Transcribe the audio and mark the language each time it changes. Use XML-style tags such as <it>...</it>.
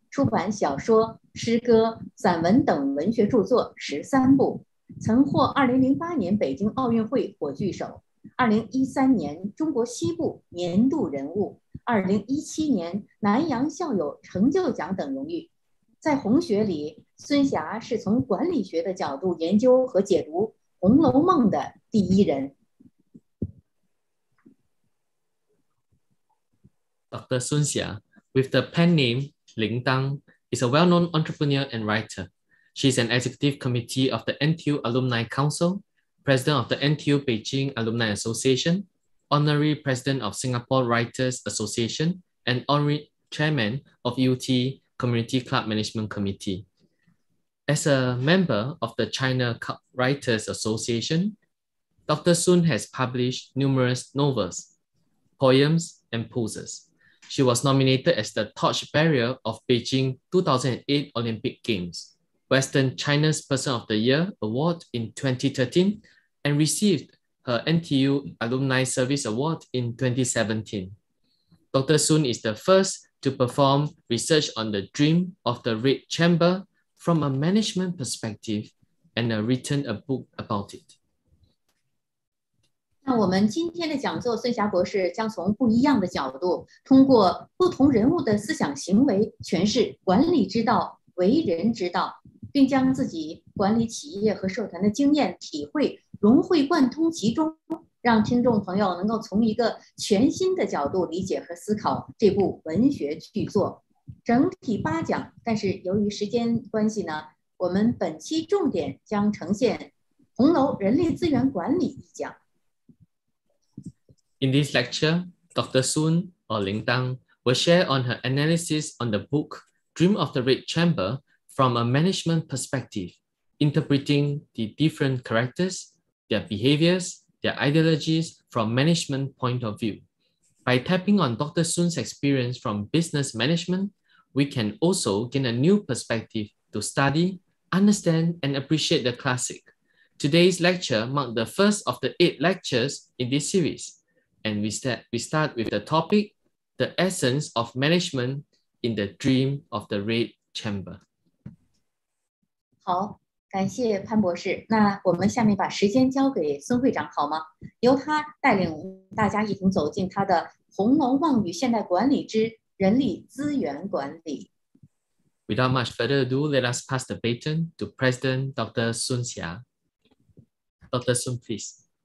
<zh>出版小说、诗歌、散文等文学著作13部，曾获2008年北京奥运会火炬手，2013年中国西部年度人物，2017年南洋校友成就奖等荣誉。在红学里，孙霞是从管理学的角度研究和解读《红楼梦》的第一人。</zh> <en>Dr. 孙霞 with the pen name 林当 is a well-known entrepreneur and writer. She is an executive committee of the NTU Alumni Council, president of the NTU Beijing Alumni Association, honorary president of Singapore Writers Association, and honorary chairman of UT Community Club Management Committee. As a member of the China Writers Association, Dr. Sun has published numerous novels, poems, and poses. She was nominated as the torchbearer of Beijing 2008 Olympic Games, Western China's Person of the Year Award in 2013, and received her NTU Alumni Service Award in 2017. Dr. Sun is the first to perform research on the Dream of the Red Chamber from a management perspective and has written a book about it.</en> <zh>那我们今天的讲座，孙霞博士将从不一样的角度，通过不同人物的思想行为诠释管理之道、为人之道，并将自己管理企业和社团的经验体会融会贯通其中，让听众朋友能够从一个全新的角度理解和思考这部文学巨作。整体8讲，但是由于时间关系呢，我们本期重点将呈现《红楼人力资源管理》1讲。</zh> <en>In this lecture, Dr. Sun, or Ling Dang, will share on her analysis on the book Dream of the Red Chamber from a management perspective, interpreting the different characters, their behaviors, their ideologies from management point of view. By tapping on Dr. Sun's experience from business management, we can also gain a new perspective to study, understand, and appreciate the classic. Today's lecture marked the first of the 8 lectures in this series. And we start with the topic, the essence of management in the Dream of the Red Chamber.</en> <zh>好，感谢潘博士。那我们下面把时间交给孙会长好吗？由他带领大家一同走进他的《红楼梦与现代管理之人力资源管理》。</zh> <en>Without much further ado, let us pass the baton to President Dr. Sun Xia. Dr. Sun, please.</en>